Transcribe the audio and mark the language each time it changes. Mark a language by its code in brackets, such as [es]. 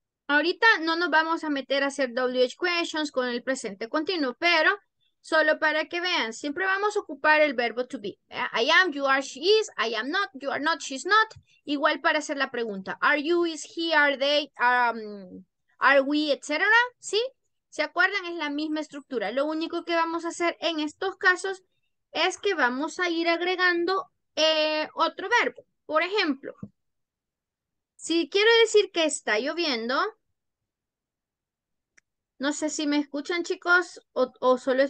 [es] Ahorita no nos vamos a meter a hacer WH questions con el presente continuo, pero solo para que vean, siempre vamos a ocupar el verbo to be. [en] I am, you are, she is, I am not, you are not, she's not. [es] Igual para hacer la pregunta. [en] Are you, is he, are they, are we, etc. [es] ¿Sí? ¿Se acuerdan? Es la misma estructura. Lo único que vamos a hacer en estos casos es que vamos a ir agregando otro verbo. Por ejemplo, si quiero decir que está lloviendo. No sé si me escuchan, chicos, o solo es